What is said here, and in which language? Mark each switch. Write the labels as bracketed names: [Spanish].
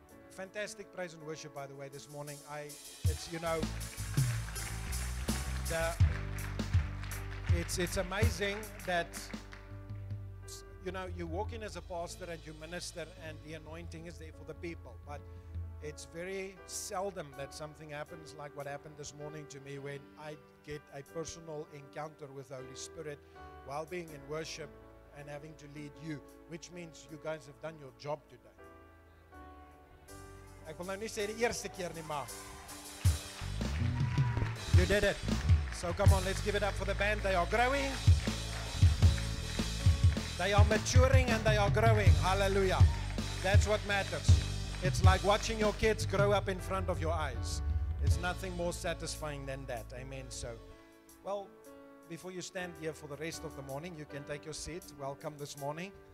[English] Fantastic praise and worship, by the way, this morning. It's amazing that, you know, you walk in as a pastor and you minister and the anointing is there for the people. But it's very seldom that something happens like what happened this morning to me when I get a personal encounter with the Holy Spirit while being in worship and having to lead you, which means you guys have done your job today. [Afrikaans] Ek wil nou nie sê die eerste keer nie, maar [English] you did it. So come on, let's give it up for the band. They are growing. They are maturing and they are growing. Hallelujah. That's what matters. It's like watching your kids grow up in front of your eyes. It's nothing more satisfying than that. Amen. So, well, before you stand here for the rest of the morning, you can take your seat. Welcome this morning.